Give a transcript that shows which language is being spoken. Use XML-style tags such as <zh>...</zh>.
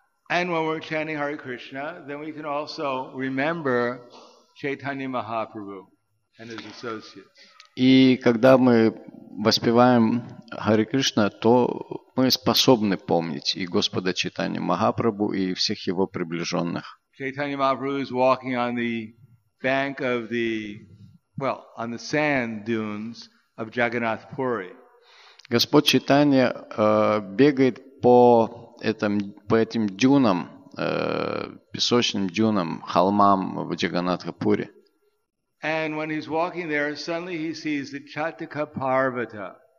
<en>And when we're chanting Hare Krishna, then we can also remember Chaitanya Mahaprabhu and his associates.</en> <ru>И когда мы воспеваем Hare Krishna, то мы способны помнить и Господа Чайтанью Махапрабху, и всех его приближенных.</ru> <en>Chaitanya Mahaprabhu is walking on the bank of the, well, on the sand dunes of Jagannath Puri.</en> <ru>Господь Чайтанья бегает по этим дюнам, песочным дюнам, холмам в Джаганнатхапуре.</ru> <en>And when he's walking there, suddenly he sees the Chataka Parvata.</en>